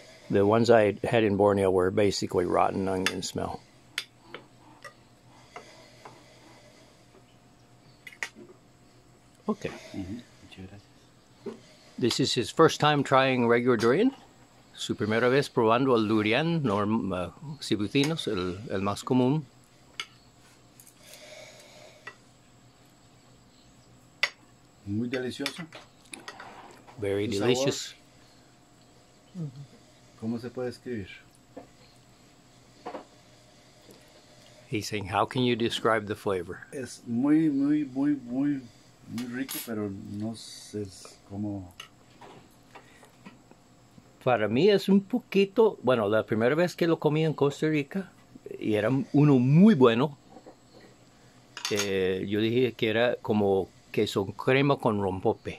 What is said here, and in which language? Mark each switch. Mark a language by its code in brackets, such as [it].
[en] The ones I had in Borneo were basically rotten onion smell. Okay. Mm-hmm. This is his first time trying regular durian. [es] Su primera vez probando el durian, zibethinus, el más común. Muy delicioso. [en] Very [es] su [en] delicious. [es] ¿Cómo se puede escribir? [en] He's saying, how can you describe the flavor? [es] Es muy, muy, muy, muy, muy rico, pero no sé cómo... Para mí es un poquito, bueno, la primera vez que lo comí en Costa Rica y era uno muy bueno, yo dije que era como queso crema con rompope.